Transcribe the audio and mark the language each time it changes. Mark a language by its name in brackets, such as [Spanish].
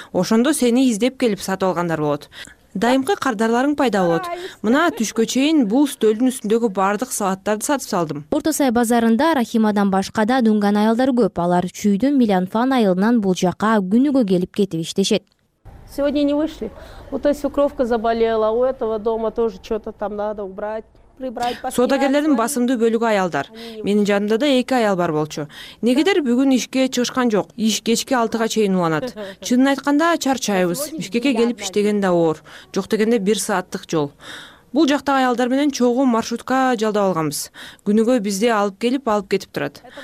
[Kyrgyz] Ошондо сени издеп келип сатып алгандар болот. Дайымкы кардарларың пайда болот. Мына түшкө чейин бул стөлдүн үстүндөгү бардык салаттарды сатып салдым. Орто Сай базарында Рахимадан башка да дунган аялдар көп. Алар Чүйдүн Милианфан айылынан бул жака күнүгө келип кетип иштешет. [Russian] Сегодня не вышли. Вот эта свекровка заболела, у этого дома тоже что-то там надо убрать. [Kyrgyz] Соодагерлердин басымдуу бөлүгү аялдар. Менин жанымда да 2 аял бар болчу. Негедер бүгүн ишке чыгышкан жок. Иш кечке 6га чейин уланат. Чынын айтканда чарчайбыз. Бишкекке келип иштеген да оор. Жок дегенде 1 сааттык жол. Бул жакта аялдар менен чогуу маршрутка жалдап алганбыз. Күнүгө бизди алып келип, алып кетип турат.